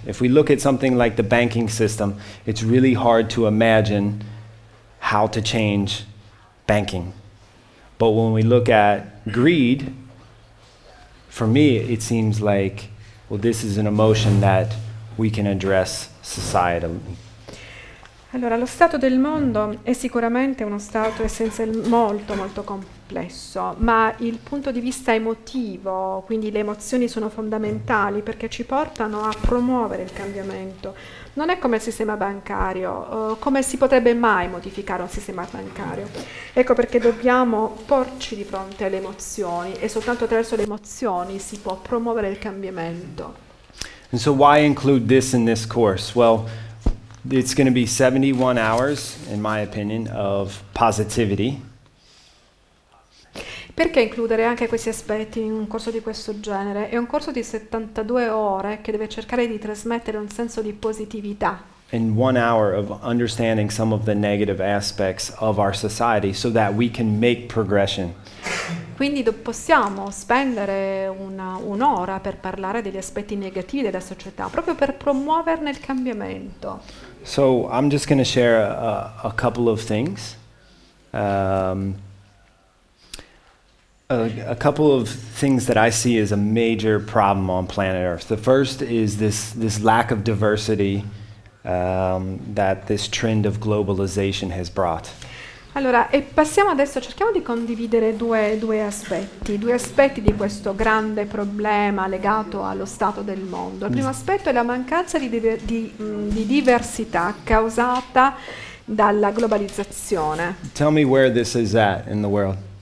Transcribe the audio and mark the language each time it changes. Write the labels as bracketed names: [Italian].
[English] If we look at something like the banking system, it's really hard to imagine how to change banking. But when we look at greed, for me, it seems like, well, this is an emotion that we can address societally. [Italian] Allora, lo stato del mondo è sicuramente uno stato essenziale molto, molto complesso, ma il punto di vista emotivo, quindi le emozioni sono fondamentali perché ci portano a promuovere il cambiamento. Non è come il sistema bancario, come si potrebbe mai modificare un sistema bancario? Ecco perché dobbiamo porci di fronte alle emozioni e soltanto attraverso le emozioni si può promuovere il cambiamento. [English] And so why include this in this course? Well, it's going to be 71 hours, in my opinion, of positivity. [Italian] Perché includere anche questi aspetti in un corso di questo genere? È un corso di 72 ore che deve cercare di trasmettere un senso di positività. [English] In 1 hour of understanding some of the negative aspects of our society so that we can make progression. [Italian] Quindi possiamo spendere un'ora per parlare degli aspetti negativi della società, proprio per promuoverne il cambiamento. [English] So I'm just going to share a couple of things. A couple of things that I see as a major problem on planet Earth. The first is this lack of diversity that this trend of globalization has brought. [Italian] Allora, e passiamo adesso, cerchiamo di condividere due aspetti di questo grande problema legato allo stato del mondo. Il primo aspetto è la mancanza di diversità causata dalla globalizzazione. [English] Tell me where this is at in the world.